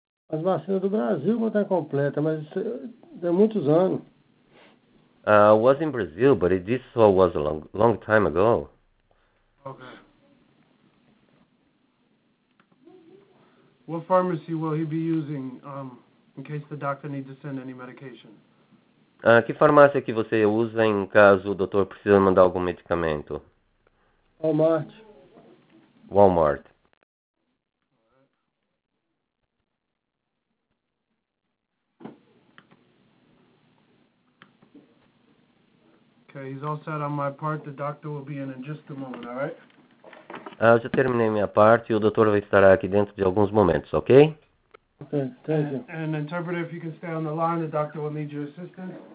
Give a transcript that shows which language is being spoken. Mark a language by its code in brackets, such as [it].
[pt] As vacinas do Brasil não estão completas, mas tem muitos anos. [en] I was in Brazil, but this all was a long time ago. Okay. What pharmacy will he be using in case the doctor needs to send any medication? [pt] Que farmácia que você usa em caso o doutor precisa mandar algum medicamento? Walmart. [en] Walmart. Okay, he's all set on my part. The doctor will be in just a moment, all right? [pt] Eu já terminei minha parte e o doutor vai estar aqui dentro de alguns momentos, ok? [en] Okay, thank you. And interpreter, if you can stay on the line, the doctor will need your assistance.